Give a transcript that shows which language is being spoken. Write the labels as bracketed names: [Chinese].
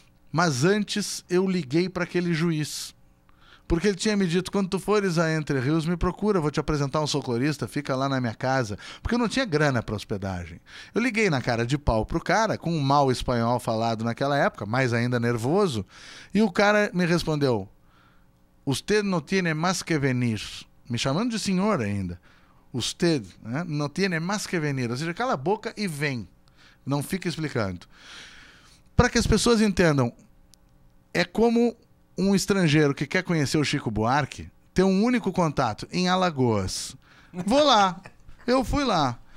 [Portuguese] Mas antes eu liguei para aquele juiz. Porque ele tinha me dito, quando tu fores a Entre Rios, me procura, vou te apresentar um socorrista, fica lá na minha casa. Porque eu não tinha grana para hospedagem. Eu liguei na cara de pau pro cara, com um mau espanhol falado naquela época, mais ainda nervoso. E o cara me respondeu, [Spanish] usted no tiene más que venir. [Portuguese] Me chamando de senhor ainda. [Spanish] Usted, [Portuguese] né? [Spanish] No tiene más que venir. [Portuguese] Ou seja, cala a boca e vem. Não fica explicando. Para que as pessoas entendam, é como um estrangeiro que quer conhecer o Chico Buarque ter um único contato em Alagoas. Vou lá. Eu fui lá.